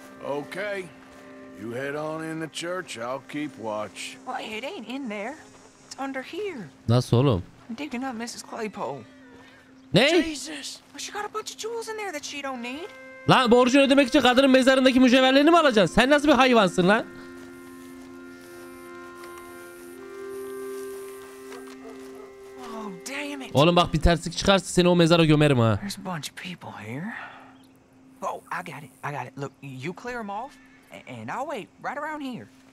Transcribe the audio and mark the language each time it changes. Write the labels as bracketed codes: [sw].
[en] Okay, you head on in the church, I'll keep watch. Well, it ain't in there. It's under here. [tr] Nasıl oğlum? [en] I'm digging up Mrs. Claypole. [tr] Ne? [en] Jesus. Well, she got a bunch of jewels in there that she don't need. [tr] Lan borcunu ödemek için kadının mezarındaki mücevherlerini mi alacaksın? Sen nasıl bir hayvansın lan? [en] Oh, damn it. [tr] Oğlum bak, bir terslik çıkarsa seni o mezara gömerim ha. [en] There's a bunch of people here. Oh, I got it. Look, you clear them off and I'll wait right around here.